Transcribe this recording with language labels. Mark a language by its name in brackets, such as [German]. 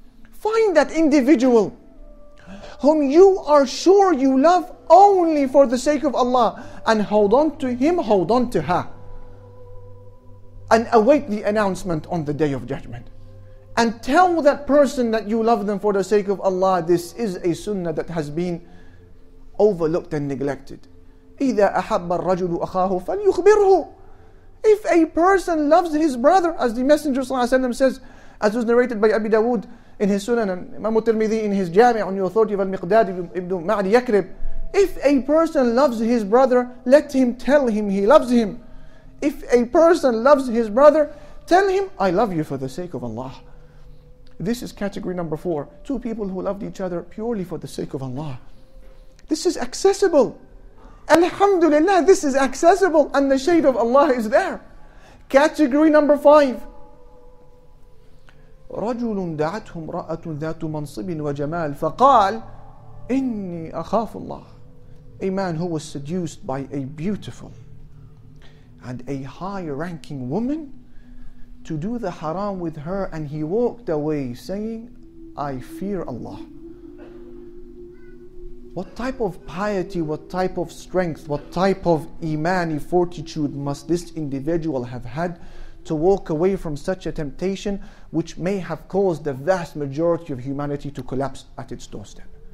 [English] Find that individual whom you are sure you love only for the sake of Allah, and hold on to him, hold on to her, and await the announcement on the Day of Judgment. And tell that person that you love them for the sake of Allah. This is a sunnah that has been overlooked and neglected. [Arabic] إِذَا أَحَبَّ الرَّجُلُ أَخَاهُ فَلْيُخْبِرْهُ. [English] If a person loves his brother, as the Messenger ﷺ says, as was narrated by Abi Dawood in his Sunan, and Imam Tirmidhi in his Jami' on the authority of Al-Miqdad ibn Ma'di Yakrib, if a person loves his brother, let him tell him he loves him. If a person loves his brother, tell him, I love you for the sake of Allah. This is category number four. Two people who loved each other purely for the sake of Allah. This is accessible. Alhamdulillah, this is accessible, and the shade of Allah is there. Category number five. [Arabic] رجل دعته امرأة ذات منصب وجمال فقال إني أخاف الله. [English] A man who was seduced by a beautiful and a high ranking woman to do the haram with her, and he walked away saying, I fear Allah. What type of piety, what type of strength, what type of imani fortitude must this individual have had to walk away from such a temptation, which may have caused the vast majority of humanity to collapse at its doorstep?